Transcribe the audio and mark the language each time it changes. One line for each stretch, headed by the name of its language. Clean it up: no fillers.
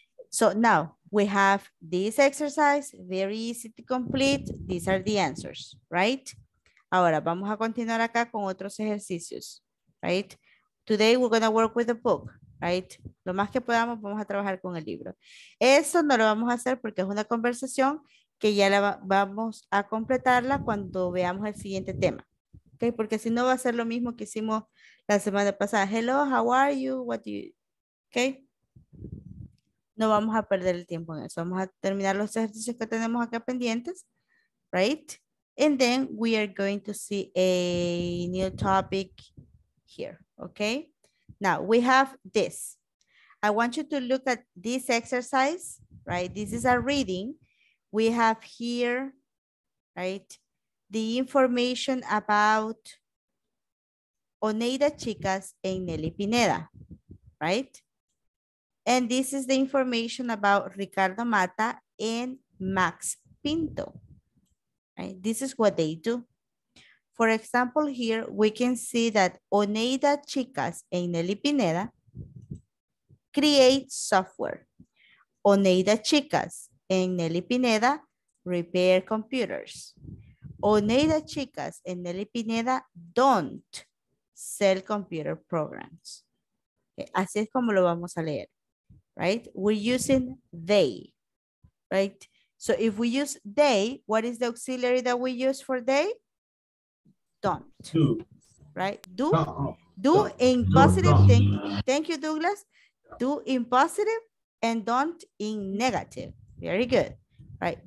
English: So now we have this exercise, very easy to complete. These are the answers, right?
Spanish: Ahora vamos a continuar acá con otros ejercicios,
English: right? Today we're going to work with a book, right?
Spanish: Lo más que podamos, vamos a trabajar con el libro. Eso no lo vamos a hacer porque es una conversación que ya la vamos a completarla cuando veamos el siguiente tema. Okay, porque si no va a ser lo mismo que hicimos la semana pasada.
English: Hello, how are you? What do you... Okay.
Spanish: No vamos a perder el tiempo en eso. Vamos a terminar los ejercicios que tenemos acá pendientes.
English: Right? And then we are going to see a new topic here. Okay? Now, we have this. I want you to look at this exercise. Right? This is a reading. We have here, right, the information about Oneida Chicas and Nelly Pineda, right? And this is the information about Ricardo Mata and Max Pinto, right? This is what they do. For example, here we can see that Oneida Chicas and Nelly Pineda create software. Oneida Chicas and Nelly Pineda repair computers. Oneida Chicas and Nelly Pineda don't sell computer programs.
Spanish: Okay, así es como lo vamos a leer,
English: right? We're using they, right? So if we use they, what is the auxiliary that we use for they? Don't. Do. Right? Do. Do in positive. Thank you, Douglas. Do in positive and don't in negative. Very good. Right?